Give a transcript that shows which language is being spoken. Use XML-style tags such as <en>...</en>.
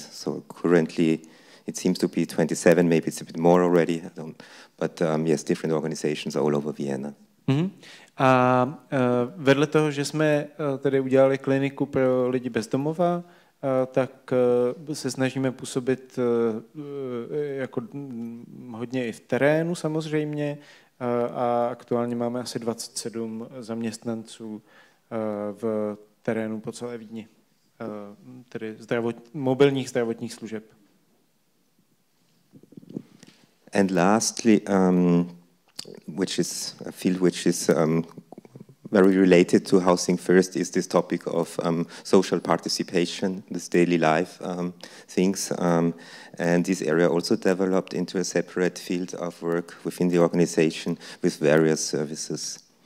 <en>So currently it seems to be 27, maybe it's a bit more already, but yes, different organizations all over Vienna. Mm-hmm.</en> <cs>A vedle toho, že jsme tady udělali kliniku pro lidi bezdomova, tak se snažíme působit jako hodně i v terénu samozřejmě, a aktuálně máme asi 27 zaměstnanců v terénu po celé Vídni, tedy mobilních zdravotních služeb.</cs> <en>And lastly, which is a field which is very related to housing first, is this topic of social participation, this daily life things. And this area also developed into a separate field of work within the organization with various services.</en>